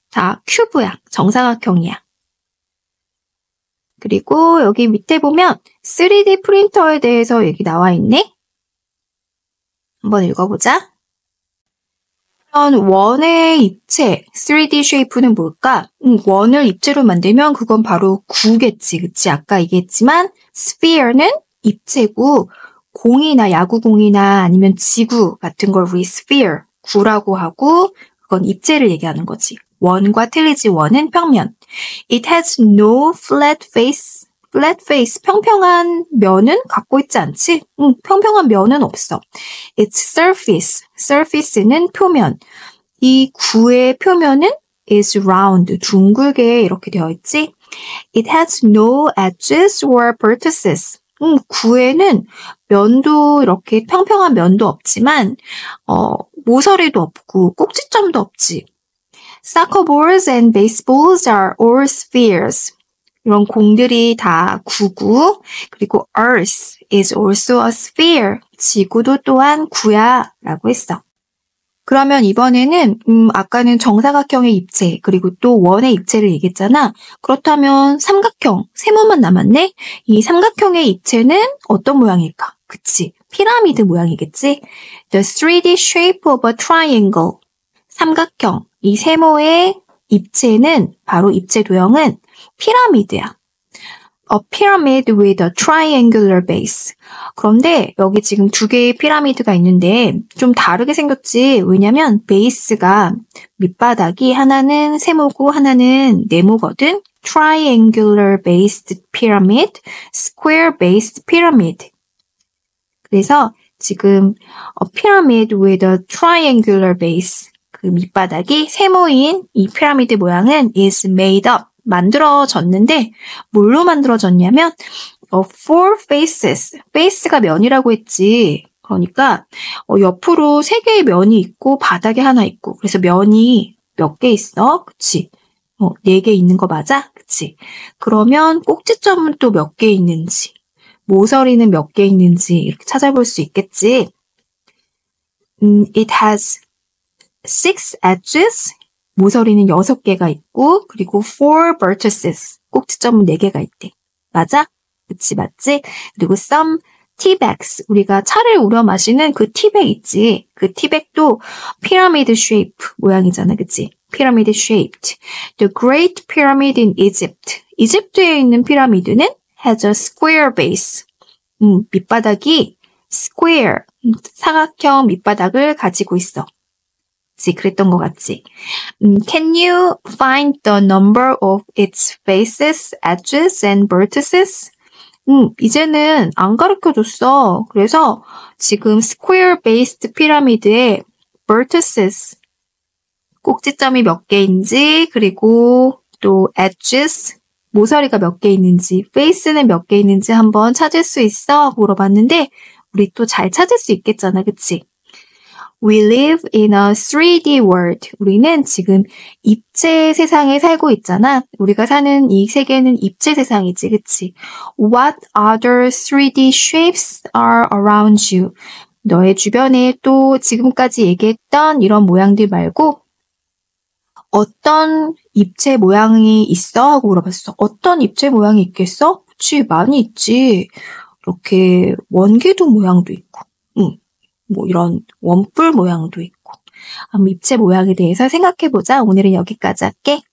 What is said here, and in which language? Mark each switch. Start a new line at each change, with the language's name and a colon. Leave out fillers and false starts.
Korean: 다 큐브야, 정사각형이야. 그리고 여기 밑에 보면 3D 프린터에 대해서 얘기 나와 있네. 한번 읽어보자. 그러면 원의 입체, 3D 쉐이프는 뭘까? 원을 입체로 만들면 그건 바로 구겠지, 그치? 아까 얘기했지만 sphere는 입체고, 공이나 야구공이나 아니면 지구 같은 걸 우리 sphere, 구라고 하고, 그건 입체를 얘기하는 거지. 원과 틀리지, 원은 평면.
English: It has no flat face.
Korean: flat face, 평평한 면은 갖고 있지 않지? 응, 평평한 면은 없어. Its surface, surface는 표면. 이 구의 표면은
English: is round,
Korean: 둥글게 이렇게 되어 있지.
English: It has no edges or vertices.
Korean: 구에는 면도 이렇게 평평한 면도 없지만 모서리도 없고 꼭지점도 없지.
English: Soccer balls and baseballs are all spheres.
Korean: 이런 공들이 다 구구. 그리고
English: Earth is also a sphere.
Korean: 지구도 또한 구야 라고 했어. 그러면 이번에는 아까는 정사각형의 입체 그리고 또 원의 입체를 얘기했잖아. 그렇다면 삼각형, 세모만 남았네. 이 삼각형의 입체는 어떤 모양일까? 그치, 피라미드 모양이겠지?
English: The 3D shape of a triangle.
Korean: 삼각형, 이 세모의 입체는, 바로 입체 도형은 피라미드야.
English: A pyramid with a triangular base.
Korean: 그런데 여기 지금 두 개의 피라미드가 있는데 좀 다르게 생겼지. 왜냐면 베이스가 밑바닥이 하나는 세모고 하나는 네모거든.
English: Triangular based pyramid, square based pyramid.
Korean: 그래서 지금 a pyramid with a triangular base. 그 밑바닥이 세모인 이 피라미드 모양은
English: is made up.
Korean: 만들어졌는데 뭘로 만들어졌냐면 four faces. face가 면이라고 했지. 그러니까 옆으로 세 개의 면이 있고 바닥에 하나 있고. 그래서 면이 몇 개 있어? 그치? 네 개 있는 거 맞아? 그치? 그러면 꼭지점은 또 몇 개 있는지, 모서리는 몇 개 있는지 이렇게 찾아볼 수 있겠지.
English: It has six edges.
Korean: 모서리는 6개가 있고, 그리고 four vertices, 꼭지점은 4개가 있대. 맞아? 그치, 맞지? 그리고 some tea bags, 우리가 차를 우려 마시는 그 티백 있지? 그 티백도 피라미드 shape 모양이잖아, 그치?
English: pyramid shaped. The great pyramid in Egypt.
Korean: 이집트에 있는 피라미드는
English: has a square base.
Korean: 밑바닥이 square. 사각형 밑바닥을 가지고 있어. 지 그랬던 것 같지.
English: Can you find the number of its faces, edges, and vertices?
Korean: 이제는 안 가르쳐줬어. 그래서 지금 square based 피라미드의 vertices 꼭지점이 몇 개인지 그리고 또 edges 모서리가 몇 개 있는지 face는 몇 개 있는지 한번 찾을 수 있어? 물어봤는데 우리 또 잘 찾을 수 있겠잖아, 그치?
English: We live in a 3D world.
Korean: 우리는 지금 입체 세상에 살고 있잖아. 우리가 사는 이 세계는 입체 세상이지, 그치?
English: What other 3D shapes are around you?
Korean: 너의 주변에 또 지금까지 얘기했던 이런 모양들 말고 어떤 입체 모양이 있어? 하고 물어봤어. 어떤 입체 모양이 있겠어? 그치, 많이 있지. 이렇게 원기둥 모양도 있고. 뭐 이런 원뿔 모양도 있고. 입체 모양에 대해서 생각해보자. 오늘은 여기까지 할게.